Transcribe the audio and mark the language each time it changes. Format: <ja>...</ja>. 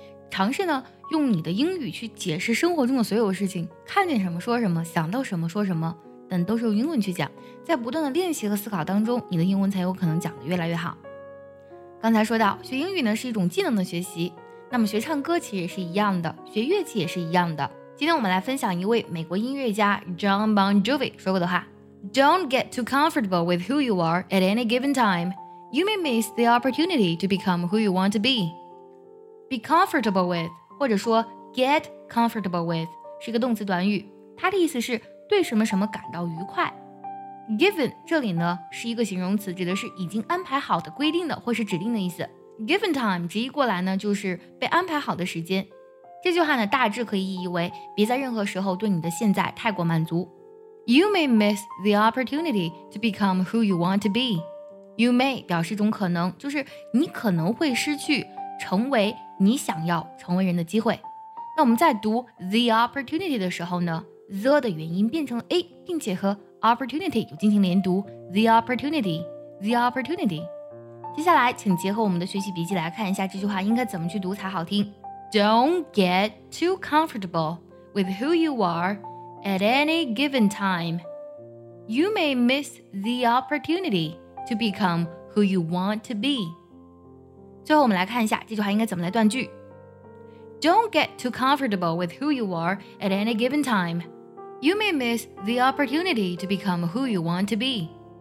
<zh>尝试呢用你的英语去解释生活中的所有事情，看见什么说什么，想到什么说什么，但都是用英文去讲。在不断的练习和思考当中，你的英文才有可能讲得越来越好。刚才说到学英语呢是一种技能的学习，那么学唱歌其实也是一样的，学乐器也是一样的。今天我们来分享一位美国音乐家 John Bon Jovi 说过的话。</zh> <en>Don't get too comfortable with who you are at any given time. You may miss the opportunity to become who you want to be. Be comfortable with,</en> <zh>或者说</zh> <en>get comfortable with,</en> <zh>是一个动词短语，它的意思是对什么什么感到愉快。 Given 这里呢是一个形容词，指的是已经安排好的、规定的或是指定的意思。 Given time 直译过来呢就是被安排好的时间。这句话呢大致可以意义为别在任何时候对你的现在太过满足。</zh> <en>You may miss the opportunity to become who you want to be.</en> <zh>You may 表示一种可能，就是你可能会失去成为你想要成为人的机会。那我们在读 the opportunity 的时候呢， the 的元音变成 a， 并且和 opportunity 有进行连读，</zh> <en>the opportunity, the opportunity。</en> <zh>接下来请结合我们的学习笔记来看一下这句话应该怎么去读才好听。</zh> <en>Don't get too comfortable with who you are at any given time. You may miss the opportunity to become who you want to be. 最后我们来看一下这句话应该怎么来断句。 Don't get too comfortable with who you are at any given time. You may miss the opportunity to become who you want to be.</en>